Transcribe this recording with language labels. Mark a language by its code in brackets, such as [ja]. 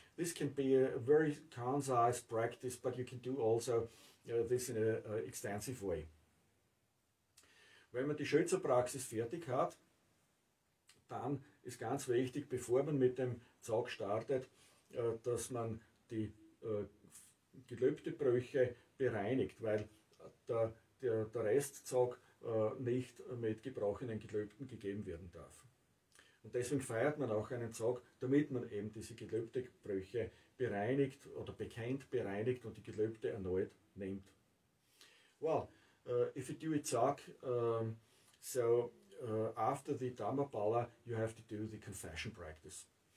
[en] This can be a very concise practice, but you can do also this in an extensive way. [de] Wenn man die Schützerpraxis fertig hat, dann ist ganz wichtig, bevor man mit dem Zog startet, dass man die Gelübdebrüche bereinigt, weil der Restzog nicht mit gebrochenen Gelübden gegeben werden darf. Und deswegen feiert man auch einen Zog, damit man eben diese Gelübdebrüche bereinigt oder bekennt, bereinigt und die Gelübde erneut nimmt. [en] Well, if you do a Zog, so after the Dhammapala, you have to do the confession practice.